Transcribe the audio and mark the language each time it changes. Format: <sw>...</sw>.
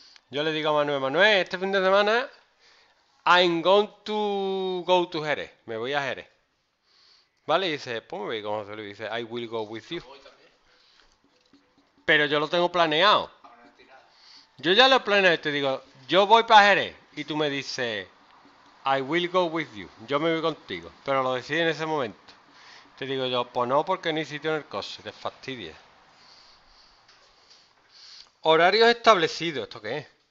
<es>Yo le digo a Manuel, Manuel, este fin de semana</es> <en>I'm going to go to Jerez.</en> <es>Me voy a Jerez. ¿Vale? Y dice, pues me voy con José Luis. Dice,</es> <en>I will go with you.</en> <es>Pero yo lo tengo planeado. Yo ya lo he planeado y te digo, yo voy para Jerez. Y tú me dices,</es> <en>I will go with you.</en> <es>Yo me voy contigo. Pero lo decide en ese momento. Te digo yo, pues no, porque ni sitio en el coche, te fastidia. Horarios establecidos, ¿esto qué es?</es>